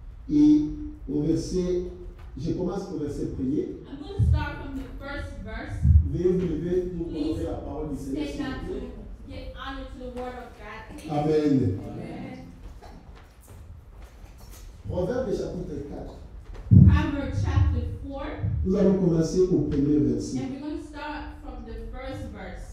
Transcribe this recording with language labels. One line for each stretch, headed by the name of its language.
French: Et au verset, je commence au verset premier.
English: I'm going to start from the first verse.
French: Veuillez vous lever pour prendre la parole du Seigneur.
English: Stand up to get honor to the word of God. Amen. Amen. Amen.
French: Proverbe chapitre 4.
English: Proverbs chapter 4.
French: Nous allons commencer au premier verset.
English: And we're going to start from the first verse.